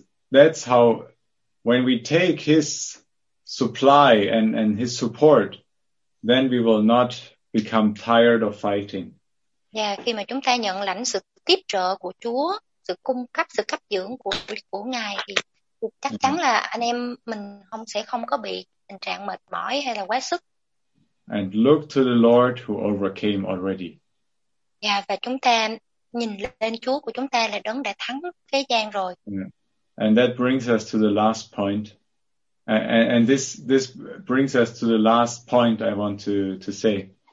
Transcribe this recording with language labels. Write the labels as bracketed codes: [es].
[en] That's how when we take his supply and his support, then we will not become tired of fighting. [vi] Khi mà chúng ta nhận lãnh sự tiếp trợ của Chúa, sự cung cấp, sự cấp dưỡng của Ngài, thì chắc chắn là anh em mình sẽ không có bị tình trạng mệt mỏi hay là quá sức. [en] And look to the Lord who overcame already. [vi] Và chúng ta nhìn lên Chúa của chúng ta là đấng đã thắng thế gian rồi. [en] And that brings us to the last point. And this brings us to the last point I want to say.